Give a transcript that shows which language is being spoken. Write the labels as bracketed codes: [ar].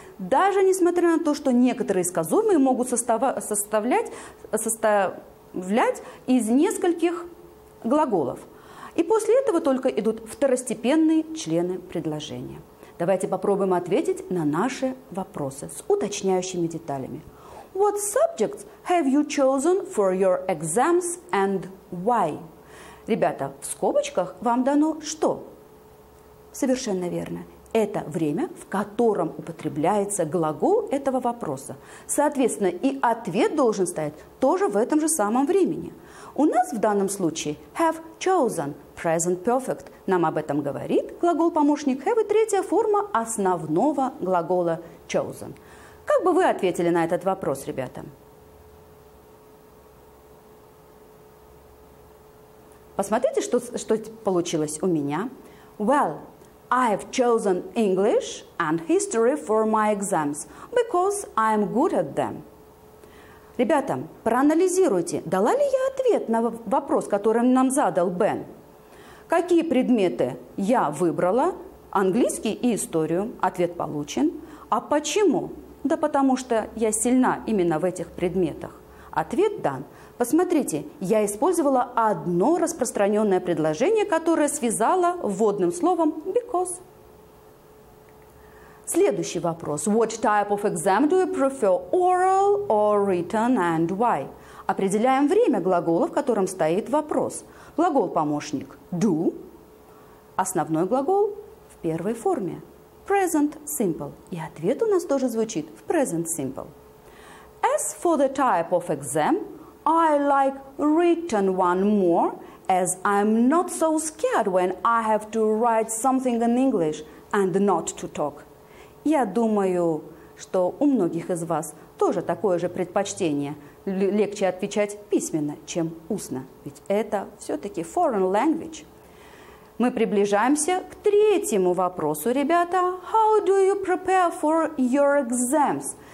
[ru] Даже несмотря на то, что некоторые сказуемые могут составлять из нескольких глаголов. И после этого только идут второстепенные члены предложения. Давайте попробуем ответить на наши вопросы с уточняющими деталями. [en] What subjects have you chosen for your exams and why? [ru] Ребята, в скобочках вам дано что? Совершенно верно. Это время, в котором употребляется глагол этого вопроса. Соответственно, и ответ должен стоять тоже в этом же самом времени. У нас в данном случае have chosen, present perfect. Нам об этом говорит глагол-помощник have и третья форма основного глагола chosen. Как бы вы ответили на этот вопрос, ребята? Посмотрите, что получилось у меня. [en] Well, I have chosen English and history for my exams because I am good at them. [ru] Ребята, проанализируйте, дала ли я ответ на вопрос, который нам задал Бен. Какие предметы я выбрала? Английский и историю. Ответ получен. А почему? Да потому что я сильна именно в этих предметах. Ответ дан. Посмотрите, я использовала одно распространенное предложение, которое связала вводным словом because. Следующий вопрос. [en] What type of exam do you prefer, oral or written, and why? [ru] Определяем время глагола, в котором стоит вопрос. Глагол-помощник do, основной глагол в первой форме. Present simple. И ответ у нас тоже звучит в present simple. [en] As for the type of exam, I like written one more, as I'm not so scared when I have to write something in English and not to talk. [ru] Я думаю, что у многих из вас тоже такое же предпочтение. Легче отвечать письменно, чем устно. Ведь это все-таки [en] foreign language. [ru] Мы приближаемся к третьему вопросу, ребята. [en] How do you prepare for your exams?